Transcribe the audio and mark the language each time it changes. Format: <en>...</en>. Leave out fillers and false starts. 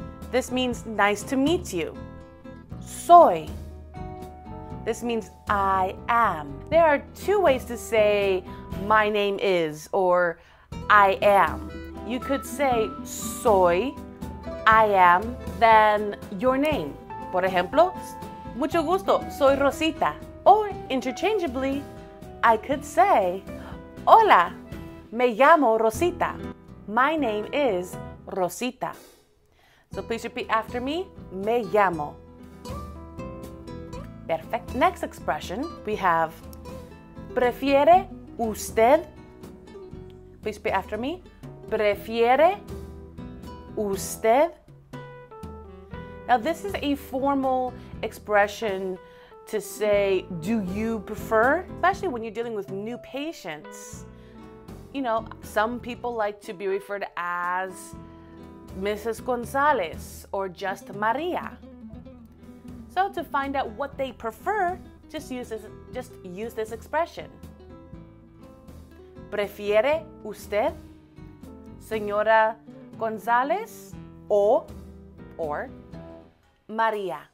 <en>This means nice to meet you. Soy. This means I am. There are two ways to say my name is or I am. You could say soy, I am, then your name.</en> <es>Por ejemplo, mucho gusto, soy Rosita.</es> <en>Or interchangeably, I could say,</en> <es>hola, me llamo Rosita.</es> <en>My name is Rosita. So please repeat after me,</en> <es>me llamo.</es> <en>Perfect. Next expression, we have,</en> <es>prefiere usted.</es> <en>Please repeat after me.</en> <es>Prefiere usted?</es> <en>Now, this is a formal expression to say, do you prefer? Especially when you're dealing with new patients. You know, some people like to be referred as Mrs. Gonzalez or just Maria. So to find out what they prefer, just use this expression.</en> <es>Prefiere usted? Señora González or María.</es>